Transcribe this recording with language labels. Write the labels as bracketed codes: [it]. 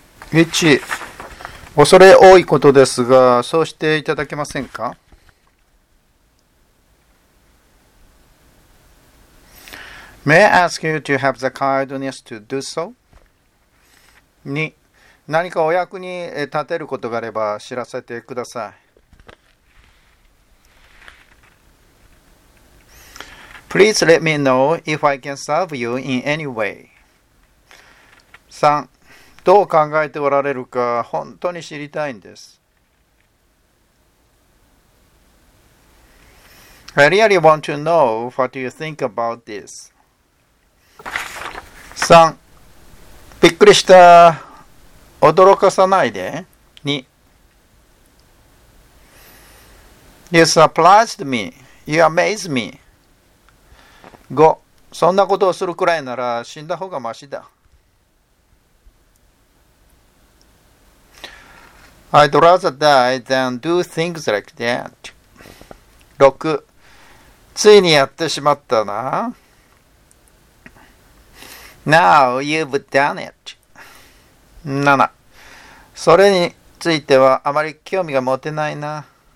[ja] 未知、恐れ多いことですが、そうしていただけませんか？ [en] May I ask you to have the kindness to do so? [ja] に、何かお役に立てることがあれば知らせてください。 [en] Please let me know if I can serve you in any way. [ja] 3、どう考えておられるか本当に知りたいんです。 [en] I really want to know what you think about this. [ja] 3、びっくりした。驚かさないで。 [en] 2、You surprised me. You amazed me. [ja] 5、そんなことをするくらいなら死んだ方がマシだ。 [en] I'd rather die than do things like that. 6. [ja] ついにやってしまったな。 [en] Now you've done it. 7. [ja] それについてはあまり興味が持てないな。